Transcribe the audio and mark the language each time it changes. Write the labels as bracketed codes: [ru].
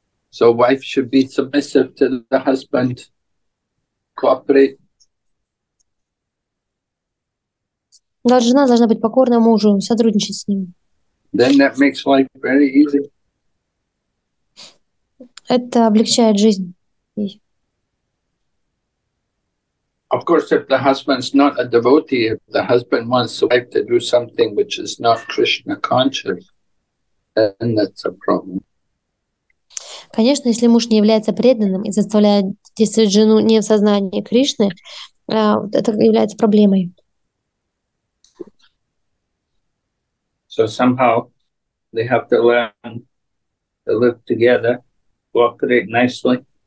[en] So wife should be submissive to the husband, cooperate. [ru] Да, жена должна быть покорна мужу, сотрудничать с ним. [en] Then that makes life very easy. [ru] Это облегчает жизнь. [en] Of course, if the husband's not a devotee, if the husband wants the wife to do something which is not Krishna conscious, then that's a problem. [ru] Конечно, если муж не является преданным и заставляет действовать жену не в сознании Кришны, это является проблемой. [en] So somehow they have to learn to live together, cooperate nicely.